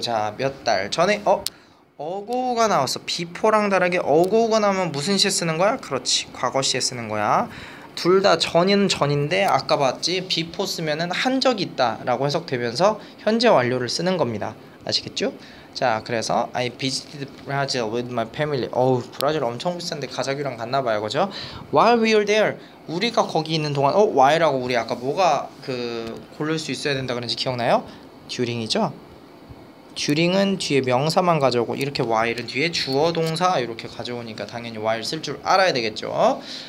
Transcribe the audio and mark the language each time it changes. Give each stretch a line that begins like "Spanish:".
Korean: 자, 몇달 전에 어고우가 나왔어. 비포랑 다르게 어고우가 나오면 무슨 시에 쓰는 거야? 그렇지. 과거 시에 쓰는 거야. 둘다 전인 전인데 아까 봤지? 비포 쓰면은 한 적이 있다라고 해석되면서 현재 완료를 쓰는 겁니다. 아시겠죠? 자, 그래서
English: I visited Brazil with my family.
Korean: 어우, 브라질 엄청 비싼데 가족이랑 갔나 봐요, 그죠?
English: While we were there,
Korean: 우리가 거기 있는 동안 why라고 우리 아까 뭐가 그 고를 수 있어야 된다 그런지 기억나요? During이죠? During은 뒤에 명사만 가져오고 이렇게 while은 뒤에 주어 동사 이렇게 가져오니까 당연히 while 쓸줄 알아야 되겠죠.